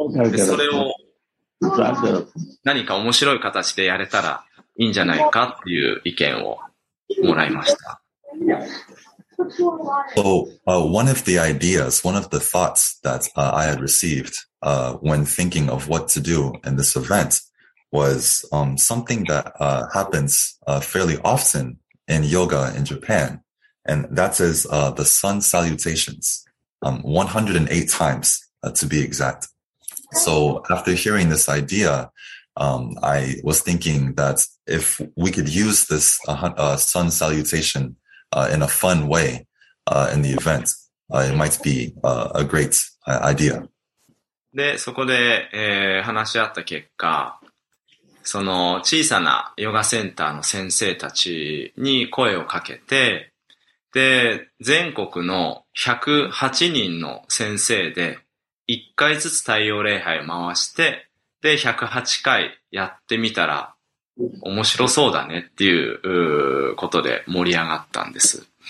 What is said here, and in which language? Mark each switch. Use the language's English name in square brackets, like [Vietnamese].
[Japanese] で、それを何か面白い形でやれたらいいんじゃないかっていう意見をもらいました。 [English] So, one of the ideas, one of the thoughts that I had received when thinking of what to do in this event was something that happens fairly often in yoga in Japan, and that is the sun salutations, 108 times to be exact. So after hearing this idea, I was thinking that if we could use this sun salutation in a fun way, in the event, it might be a great idea. [Japanese] で、そこで、話し合った結果、その小さなヨガセンターの先生たちに声をかけて、で、全国の108人の先生で1回ずつ太陽礼拝を回して、で、108回やってみたら、面白そうだねっていうことで盛り上がったんです。